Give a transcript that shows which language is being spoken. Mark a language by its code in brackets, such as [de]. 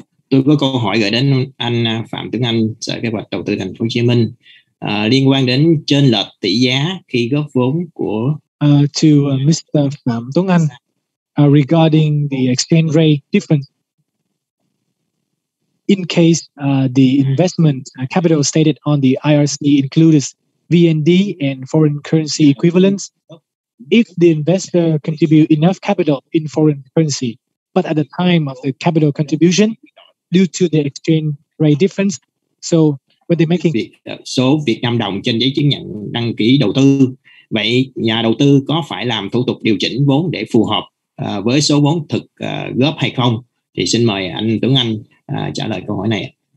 [vi] Tôi có câu hỏi gửi đến anh Phạm Tuấn Anh, Sở Kế hoạch Đầu tư Thành phố Hồ Chí Minh, liên quan đến chênh lệch tỷ giá khi góp vốn của [en] Mr. Phạm Tuấn Anh, regarding the exchange rate difference in case the investment capital stated on the IRC includes VND and foreign currency equivalents. If the investor contribute enough capital in foreign currency, but at the time of the capital contribution, due to the exchange rate difference, so what they're making [vi] số Việt Nam đồng trên giấy chứng nhận đăng ký đầu tư, vậy nhà đầu tư có phải làm thủ tục điều chỉnh vốn để phù hợp với số vốn thực góp hay không? Thì xin mời anh Tuấn Anh trả lời câu hỏi này.